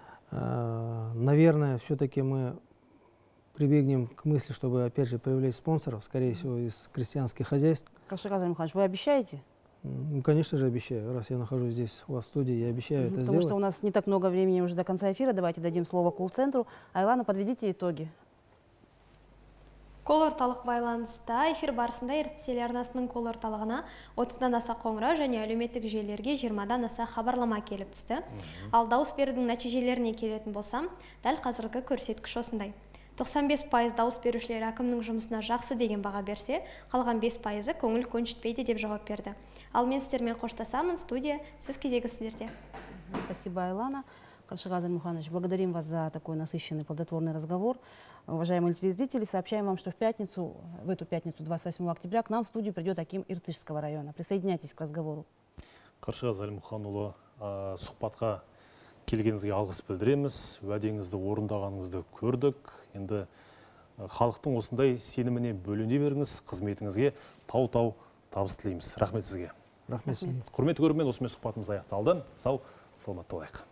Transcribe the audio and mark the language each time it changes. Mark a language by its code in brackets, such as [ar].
[ru] Наверное, все-таки мы прибегнем к мысли, чтобы, опять же, привлечь спонсоров, скорее всего, из крестьянских хозяйств. Кашыга Зәлімханович, вы обещаете? Ну, конечно же, обещаю. Раз я нахожусь здесь у вас в студии, я обещаю это потому сделать. Потому что у нас не так много времени уже до конца эфира. Давайте дадим слово кул-центру. Айлана, подведите итоги. [kk] Кол-орталық байланыста эфир барысында Ертісел арнасының кол-орталығына 30-дан аса қоңырау және әлеуметтік желілерге 20-дан аса хабарлама келіп түсті. Ал дауыс берудің нәтижелеріне келетін болсам, дәл қазіргі көрсеткіш осындай. 95% дауыс берушілер әкімнің жұмысына жақсы деген баға берсе, қалған 5% көңіл көншітпейді деп жауап берді. Ал мен сіздермен қоштасамын, студия, сіз кезегі сіздерде. [ru] Спасибо, Айлана. Кашыга Зәлімханович, благодарим вас за такой насыщенный, плодотворный разговор. Уважаемые телезрители, сообщаем вам, что в эту пятницу, 28 октября, к нам в студию придет аким Иртышского района. Присоединяйтесь к разговору. [kk] Кашыга Зәлімханұлы, сұхбатқа келгеніңізге алғыс білдіреміз, уәдеңізді орындағаныңызды көрдік. Енді халықтың осындай сеніміне бөлене беріңіз, қызметіңізге тау-тау табыс тілейміз. Рахмет сізге. Рахмет. Құрметті көрермен, осымен сұхбатымыз аяқталды. Сау, саламатты болайық.